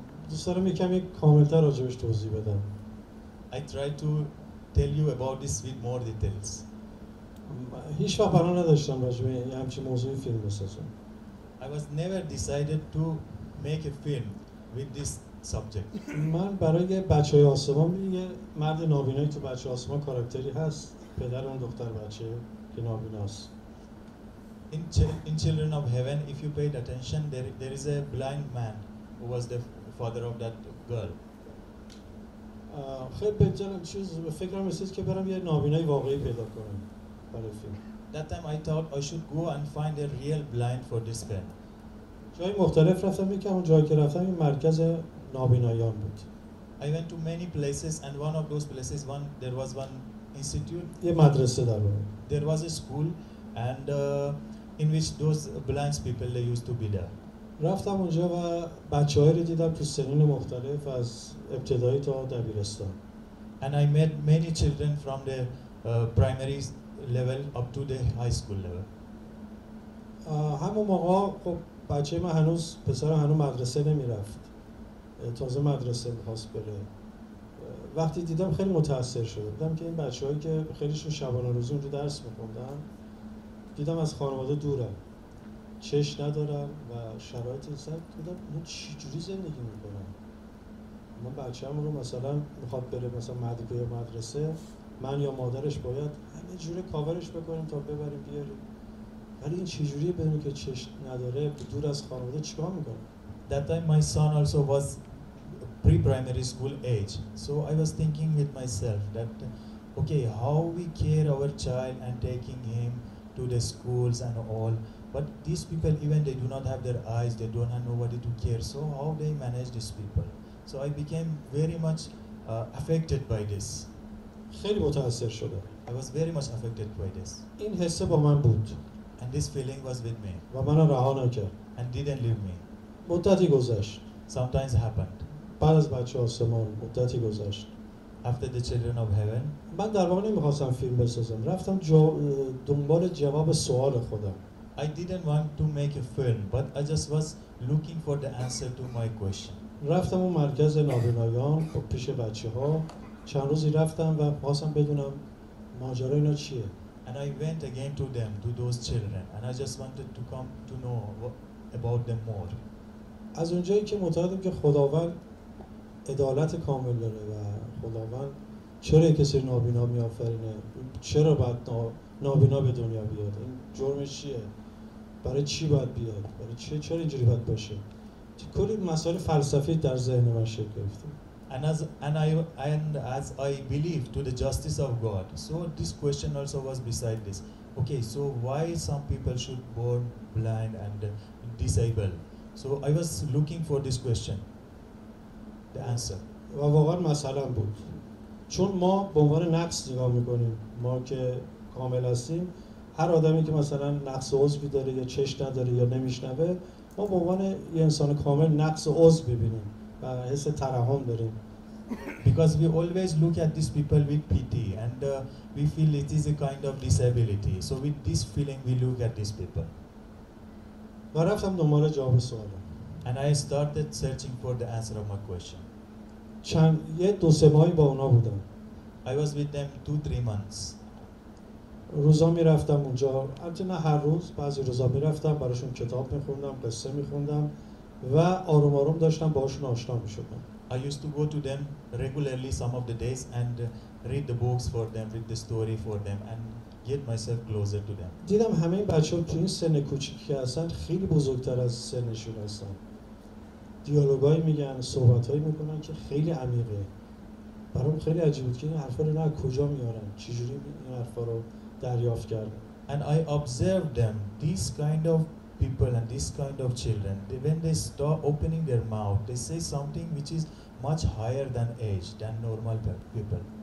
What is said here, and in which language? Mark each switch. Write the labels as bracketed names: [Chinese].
[Persian] دوست دارم یه کمی کامل‌تر راجعش توضیح بدم. [English] I try to tell you about this with more details. [Persian] هیچ وقت برنامه نداشتم راجع به همچین موضوعی فیلم بسازم. [English] I was never decided to make a film with this subject. [Persian] من برای بچه‌های آسمان یه مرد نابینایی تو بچه‌های آسمان کاراکتری هست، پدر اون دختر بچه که نابیناست. [English] In Children of Heaven, if you paid attention, there is a blind man who was the father of that girl. [Persian] خیلی پنجرم چیز به فکرم رسید که برم یه نابینای واقعی پیدا کنم برای فیلم. [English] That time I thought I should go and find a real blind for this film. [Persian] جای مختلف رفتم، یکی اون جایی که رفتم این مرکز نابینایان بود. [English] I went to many places and one of those places, there was one institute. [Persian] یه مدرسه در بود. [English] There was a school and in which those blind people they used to be there. [Persian] رفتم اونجا و بچه‌هایی رو دیدم تو سنین مختلف از ابتدایی تا دبیرستان. [English] And I met many children from the primary level up to the high school level. [Persian] همون موقع خب بچه من هنوز پسر هنوز مدرسه نمی‌رفت. تازه مدرسه می‌خواست بره. وقتی دیدم خیلی متأثر شدم. دیدم که این بچه‌هایی که خیلیشون شبانه روز اونجا درس می‌خوندن، دیدم از خانواده دورن. چش ندارم و شرایط سخت بودم. من چی جوری زندگی می‌کنم؟ من بچه‌ام رو مثلا می‌خواد بره مثلا مدرسه یا مدرسه، من یا مادرش باید همه جوره کاورش بکنیم تا ببریم بیاریم. ولی این چه جوریه بدون که چش نداره، دور از خانواده چیکار می‌کنه؟ [English] That time my son also was pre-primary school age. So I was thinking with myself that, okay, how we care our child and taking him to the schools and all. But these people, even they do not have their eyes, they don't have nobody to care. So how they manage these people? So I became very much affected by this. [Persian] خیلی متأثر شدم. [English] I was very much affected by this. [Persian] این حس با من بود. [English] And this feeling was with me. [Persian] و من رها نکرد. [English] And didn't leave me. [Persian] مدتی گذشت. [English] Sometimes happened. [Persian] بعد از بچه آسمان مدتی گذشت. [English] After the Children of Heaven. [Persian] من در واقع نمیخواستم فیلم بسازم. رفتم دنبال جواب سوال خودم. [English] I didn't want to make a film, but I just was looking for the answer to my question. [Persian] رفتم اون مرکز نابینایان پیش بچه ها. چند روزی رفتم و خواستم بدونم ماجرا اینا چیه. [English] And I went again to them, to those children, and I just wanted to come to know about them more. [Persian] از اونجایی که معتقدم که خداوند عدالت کامل داره و خداوند چرا کسی نابینا میآفرینه، چرا باید نابینا به دنیا بیاد، این جرمش چیه، برای چی باید بیاد، برای چی چرا اینجوری باید باشه، کلی مسائل فلسفی در ذهن من شکل گرفته. [English] And as I believe to the justice of God, so this question also was beside this. Okay, so why some people should born blind and disabled? So I was looking for this question, the answer. [Persian] و واقعا مسئله بود. چون ما به عنوان نقص نگاه میکنیم. ما که کامل هستیم، هر آدمی که مثلا نقص عضوی داره یا چش نداره یا نمیشنوه، ما به عنوان یه انسان کامل نقص عضو ببینیم و حس ترحم داریم. [English] Because we always look at these people with pity and we feel it is a kind of disability. So with this feeling we look at these people. [Persian] و رفتم دنبال جواب سوالم. [English] And I started searching for the answer of my question. [Persian] چند یه دو سه ماهی با اونا بودم. [English] I was with them 2-3 months. [Persian] روزا میرفتم اونجا، البته نه هر روز، بعضی روزا میرفتم براشون کتاب میخوندم، قصه میخوندم و آروم آروم داشتم باهاشون آشنا میشدم. [English] I used to go to them regularly some of the days and read the books for them, read the story for them and get myself closer to them. [Persian] دیدم همه این بچه ها توی این سن کوچیکی هستن خیلی بزرگتر از سنشون هستن. دیالوگای میگن، صحبتای میکنن که خیلی عمیقه. برام خیلی عجیب بود که این حرفا رو نه کجا میارن، چجوری این حرفا رو دریافت کردن. [English] And I observed them, these kind of people and these kind of children, they, when they start opening their mouth, they say something which is much higher than age, than normal people.